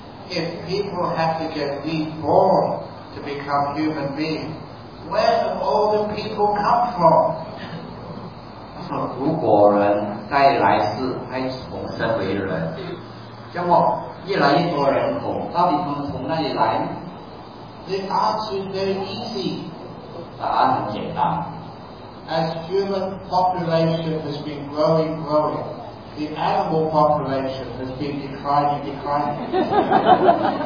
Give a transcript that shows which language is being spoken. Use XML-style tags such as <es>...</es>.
<en>if people have to get reborn to become human beings, where do all the people come from?</en> <zh>如果人再来世还重生为人，那么越来越多人口，到底他们从哪里来？</zh> <en>The answer is very easy.</en> <zh>答案很简单。</zh> <en>As human population has been growing, growing, the animal population has been declining, declining.</en>